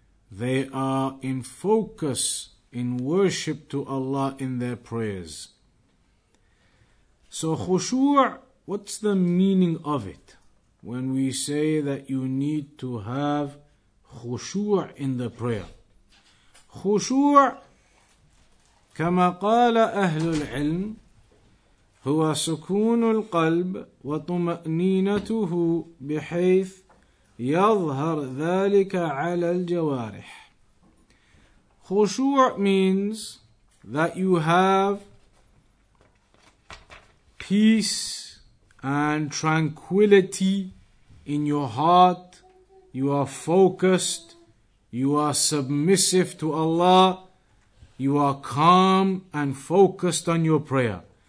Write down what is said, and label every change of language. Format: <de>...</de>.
<en>They are in focus, in worship to Allah in their prayers. So khushu', what's the meaning of it? When we say that you need to have khushu' in the prayer.</en> <ar>Khushu' كما قال أهل العلم هو سكون القلب وطمأنينته بحيث يظهر ذلك على الجوارح.</ar> <en>Khushu' means that you have peace and tranquility in your heart, you are focused, you are submissive to Allah, you are calm and focused on your prayer.</en>